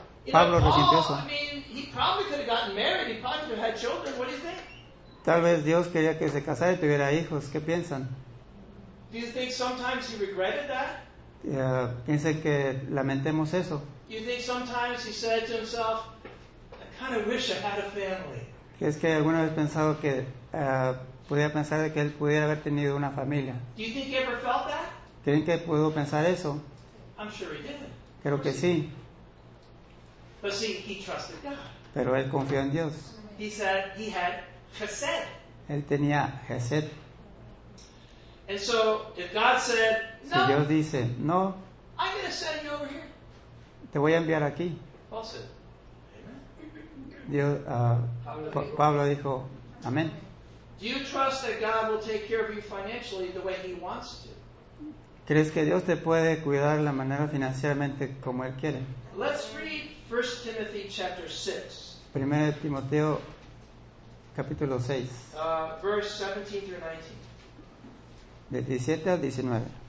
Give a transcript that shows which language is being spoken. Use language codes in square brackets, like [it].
[es] Pablo resintió eso. [en] I mean, he probably could have gotten married. He probably could have had children. What do you think? [es] Tal vez Dios quería que se casara y tuviera hijos. ¿Qué piensan? [en] Do you think sometimes he regretted that? [es] Piensa que lamentemos eso. [en] Do you think sometimes he said to himself, I kind of wish I had a family? [es] ¿Es que alguna vez pensado que pudiera pensar de que él pudiera haber tenido una familia? [en] Do you think he ever felt that? [es] ¿Creen que pudo pensar eso? [en] I'm sure he did. [es] Creo que sí. [en] But see, he trusted God. [es] Pero él confió en Dios. [en] He said he had chesed. [es] Él tenía chesed. [en] And so, if God said, no, [es] si Dios dice, no, [en] I'm going to send you over here. [es] Te voy a enviar aquí. [en] Paul said, [es] Dios, Pablo dijo, amén. [en] Do you trust that God will take care of you financially the way he wants to? [es] ¿Crees que Dios te puede cuidar de la manera financieramente como él quiere? [en] Let's read 1 Timothy chapter 6. [es] 1 Timoteo capítulo 6. [en] Verse 17 through 19. [es] De 17 al 19.